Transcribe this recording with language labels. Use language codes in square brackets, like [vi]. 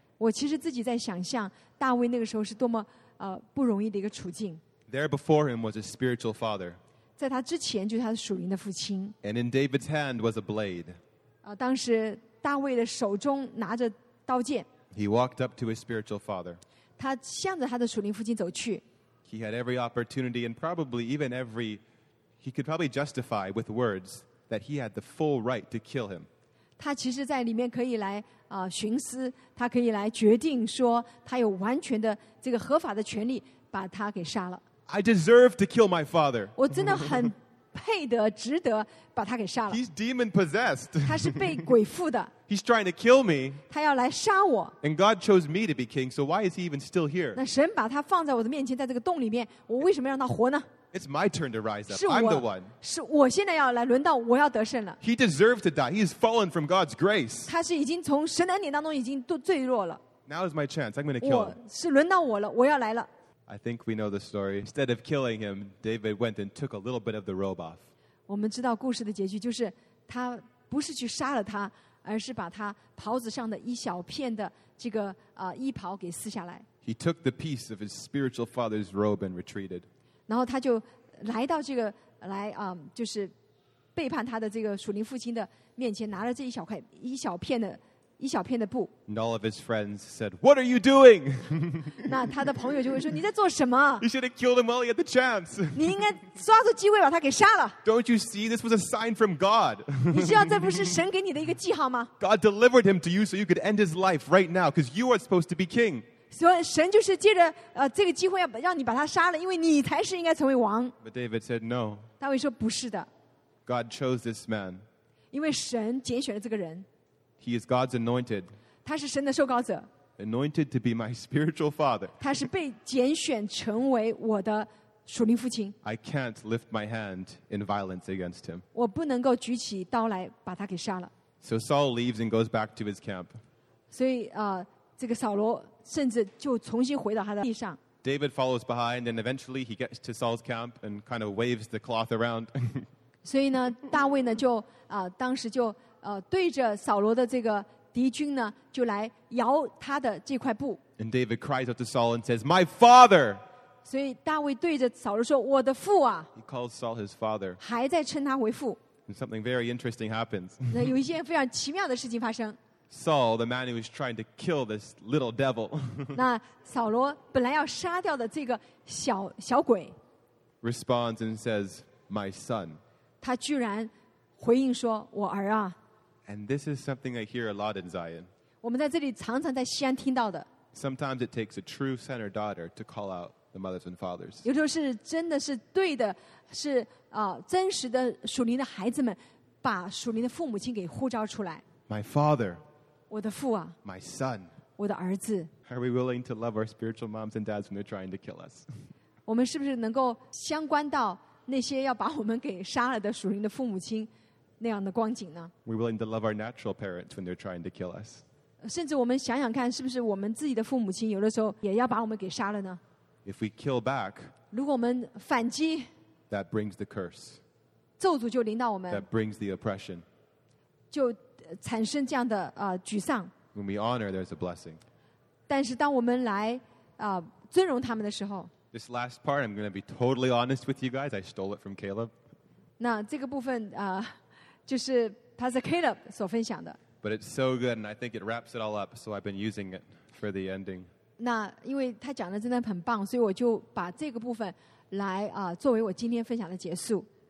[zh] 我其实自己在想象大卫那个时候是多么不容易的一个处境。 [en] There before him was a spiritual father. [zh] 在他之前就是他属灵的父亲。 [en] And in David's hand was a blade. [zh] 当时大卫的手中拿着刀剑。 [en] He walked up to his spiritual father. [zh] 他向着他的属灵父亲走去。 [en] He had every opportunity and probably even every, he could probably justify with words that he had the full right to kill him. [zh] 他其实在里面可以来寻思，他可以来决定说他有完全的这个合法的权利把他给杀了。 [en] I deserve to kill my father. [zh] 我真的很配得值得把他给杀了。 [en] He's demon possessed. [zh] 他是被鬼附的。 [en] He's trying to kill me. [zh] 他要来杀我。 [en] And God chose me to be king, so why is he even still here? [zh] 那神把他放在我的面前，在这个洞里面，我为什么让他活呢？ [en] It's my turn to rise up. I'm the one. [zh] 是我现在要来轮到我要得胜了。 [en] He deserved to die. He has fallen from God's grace. [zh] 他是已经从神的恩典当中已经坠落了。 [en] Now is my chance. I'm going to kill him. [zh] 是轮到我了，我要来了。 [en] I think we know the story. Instead of killing him, David went and took a little bit of the robe off. [zh] 我们知道故事的结局就是他不是去杀了他，而是把他袍子上的一小片的这个衣袍给撕下来。 [en] He took the piece of his spiritual father's robe and retreated. [zh] 然后他就来到这个来就是背叛他的这个属灵父亲的面前，拿了这一小片的布。 [en] And all of his friends said, "What are you doing?" [zh] 那他的朋友就会说，你在做什么？ [en] You should have killed him while he had the chance. [zh] 你应该抓住机会把他给杀了。 [en] Don't you see? This was a sign from God. [zh] 你知道这不是神给你的一个记号吗？ [en] God delivered him to you so you could end his life right now, because you are supposed to be king. [zh] 所以神就是借着这个机会要让你把他杀了，因为你才是应该成为王。 [en] But David said no. [zh] 大卫说不是的。 [en] God chose this man. [zh] 因为神拣选了这个人。 [en] He is God's anointed. [zh] 他是神的受膏者。 [en] Anointed to be my spiritual father. [zh] 他是被拣选成为我的属灵父亲。 [en] I can't lift my hand in violence against him. [zh] 我不能够举起刀来把他给杀了。 [en] So Saul leaves and goes back to his camp. [zh] 所以这个扫罗甚至就重新回到他的地上。 [en] David follows behind and eventually he gets to Saul's camp and kind of waves the cloth around. [zh] 所以呢，大卫呢就当时就。对着扫罗的这个敌军呢，就来摇他的这块布。 [en] And David cries out to Saul and says, "My father!" [zh] 所以大卫对着扫罗说，我的父啊。 [en] He calls Saul his father. [zh] 还在称他为父。 [en] And something very interesting happens. [zh] 那有一件非常奇妙的事情发生。 [en] Saul, the man who was trying to kill this little devil. [zh] 那扫罗本来要杀掉的这个小鬼。 [en] Responds and says, "My son." [zh] 他居然回应说，我儿啊。 [en] And this is something I hear a lot in Zion. [zh] 我们在这里常常在西安听到的。 [en] Sometimes it takes a true son or daughter to call out the mothers and fathers. [zh] 有时候是真的是对的，是真实的属灵的孩子们把属灵的父母亲给呼召出来。 [en] My father. [zh] 我的父啊。 [en] My son. [zh] 我的儿子。 [en] Are we willing to love our spiritual moms and dads when they're trying to kill us? [zh] 我们是不是能够相关到那些要把我们给杀了的属灵的父母亲？那样的光景呢？ [en] We're willing to love our natural parents when they're trying to kill us. [zh] 甚至我们想想看，是不是我们自己的父母亲有的时候也要把我们给杀了呢？ [en] If we kill back, [zh] 如果我们反击， [en] that brings the curse. [zh] 咒诅就临到我们， [en] that brings the oppression. [zh] 就产生这样的沮丧。 [en] When we honor, there's a blessing. [zh] 但是当我们来尊荣他们的时候， [en] This last part, I'm going to be totally honest with you guys. I stole it from Caleb. [zh] 那这个部分就是 Pastor Caleb 所分享的。 [en] But it's so good, and I think it wraps it all up, so I've been using it for the ending. [zh] 那因为他讲的真的很棒，所以我就把这个部分来作为我今天分享的结束。